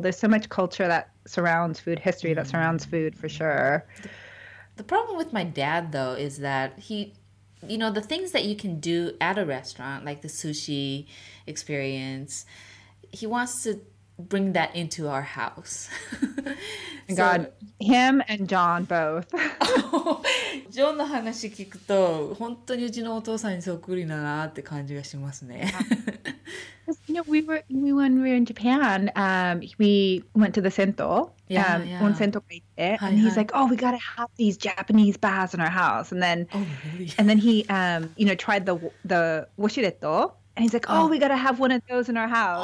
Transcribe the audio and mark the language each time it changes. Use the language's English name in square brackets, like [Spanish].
[English] There's so much culture that surrounds food, history that surrounds food, for sure. The problem with my dad, though, is that you know, the things that you can do at a restaurant, like the sushi experience, he wants to bring that into our house. God, him and John both. [Japanese] ジョンの話聞くと本当にうちのお父さんにそっくりだなって感じがしますね。 [English] You know, when we were in Japan, we went to the sento, [Japanese] onsento ka itte, [English] and he's like, oh, we gotta have these Japanese baths in our house. And then, and then he, you know, tried the washiretto, and he's like, oh, we gotta have one of those in our house.